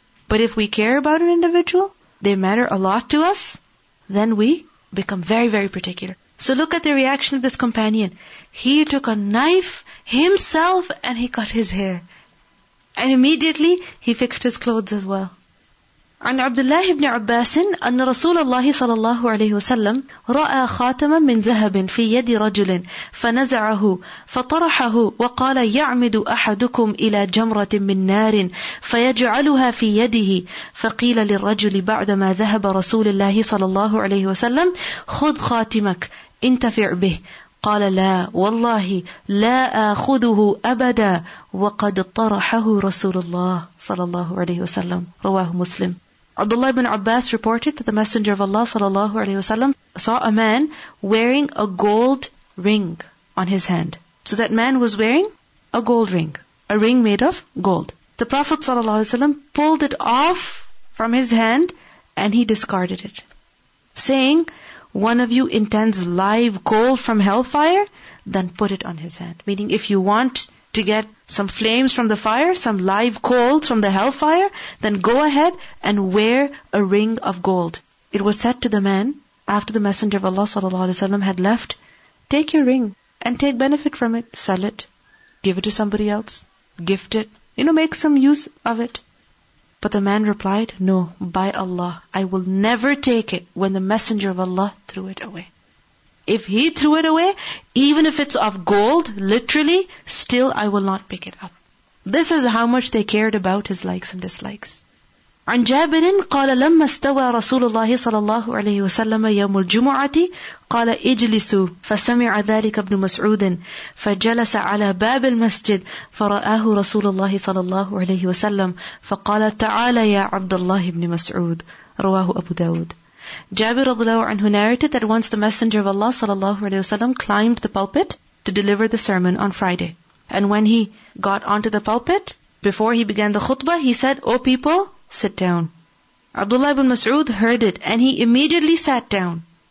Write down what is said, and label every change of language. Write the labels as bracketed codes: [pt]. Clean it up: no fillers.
[en] But if we care about an individual, they matter a lot to us, then we become very, very particular. So look at the reaction of this companion. He took a knife himself and he cut his hair. And immediately he fixed his clothes as well. [ar] عن عبد الله بن عباس أن رسول الله صلى الله عليه وسلم رأى خاتما من ذهب في يد رجل فنزعه فطرحه وقال يعمد أحدكم إلى جمرة من نار فيجعلها في يده فقيل للرجل بعدما ذهب رسول الله صلى الله عليه وسلم خذ خاتمك انتفع به قال لا والله لا آخذه أبدا وقد طرحه رسول الله صلى الله عليه وسلم رواه مسلم. [en] Abdullah ibn Abbas reported that the Messenger of Allah sallallahu alaihi wasallam saw a man wearing a gold ring on his hand. So that man was wearing a gold ring, a ring made of gold. The Prophet sallallahu alaihi wasallam pulled it off from his hand and he discarded it, saying, one of you intends live coal from hellfire, then put it on his hand. Meaning if you want to get some flames from the fire, some live coals from the hellfire, then go ahead and wear a ring of gold. It was said to the man, after the Messenger of Allah sallallahu alaihi wasallam had left, take your ring and take benefit from it. Sell it, give it to somebody else, gift it, you know, make some use of it. But the man replied, no, by Allah, I will never take it when the Messenger of Allah threw it away. If he threw it away, even if it's of gold, literally, still I will not pick it up. This is how much they cared about his likes and dislikes. [ar] عن جابر قال لما استوى رسول الله صلى الله عليه وسلم يوم الجمعة قال اجلسوا فسمع ذلك ابن مسعود فجلس على باب المسجد فرآه رسول الله صلى الله عليه وسلم فقال تعالى يا عبد الله بن مسعود رواه أبو داود. [en] Jabir radiallahu anhu narrated that once the Messenger of Allah sallallahu alaihi wasallam climbed the pulpit to deliver the sermon on Friday. And when he got onto the pulpit, before he began the khutbah, he said, O people, sit down. Abdullah ibn Mas'ud heard it and he immediately sat down.